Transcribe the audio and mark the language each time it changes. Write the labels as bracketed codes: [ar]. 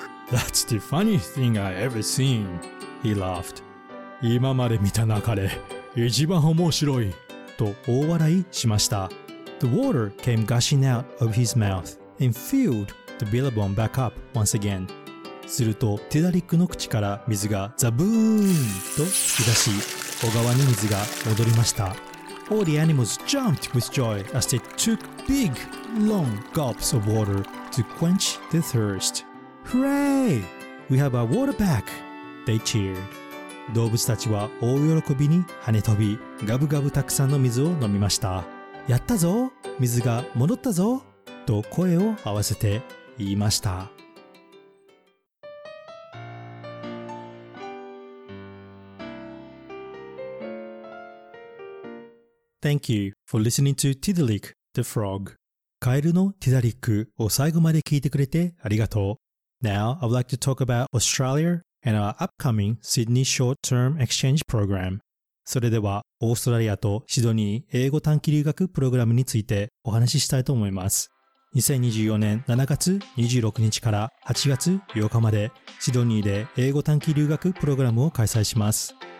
[en] That's the funniest thing I ever seen, he laughed. [ja] 今まで見た中で一番面白い。と大笑いしました。 [en] The water came gushing out of his mouth and filled the billabong back up once again. [ja] すると、ティダリックの口から水がザブーンと噴き出し、小川に水が戻りました。 [en] All the animals jumped with joy as they took big, long gulps of water to quench their thirst. Hooray! We have our water back! They cheered. [ja] 動物たちは大喜びに跳ね飛び、ガブガブたくさんの水を飲みました。やったぞ、水が戻ったぞと声を合わせて言いました。 [en] Thank you for listening to Tiddalik the Frog. [ja] カエルのティダリックを最後まで聞いてくれてありがとう。 [en] Now, I would like to talk about Australia. And our upcoming Sydney Short-Term Exchange Program. [ja] それでは、オーストラリアとシドニー英語短期留学プログラムについてお話ししたいと思います。 2024年7月26日から8月8日まで、シドニーで英語短期留学プログラムを開催します。